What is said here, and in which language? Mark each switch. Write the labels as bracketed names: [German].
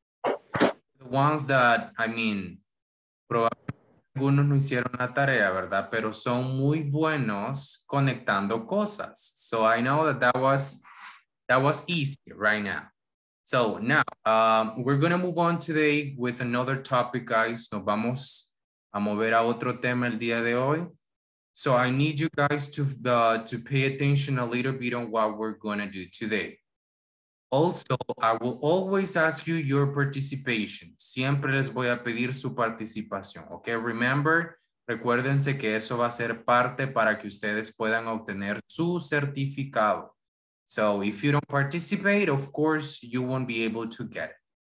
[English] The ones that, I mean, [Spanish] probablemente algunos no hicieron la tarea, ¿verdad? Pero son muy buenos conectando cosas. [English] So I know that was easy right now. So now, we're going to move on today with another topic, guys. [Spanish] Nos vamos a mover a otro tema el día de hoy. [English] So I need you guys to pay attention a little bit on what we're gonna do today. Also, I will always ask you your participation. [Spanish] Siempre les voy a pedir su participación, okay? Remember, recuérdense que eso va a ser parte para que ustedes puedan obtener su certificado. [English] So if you don't participate, of course, you won't be able to get it.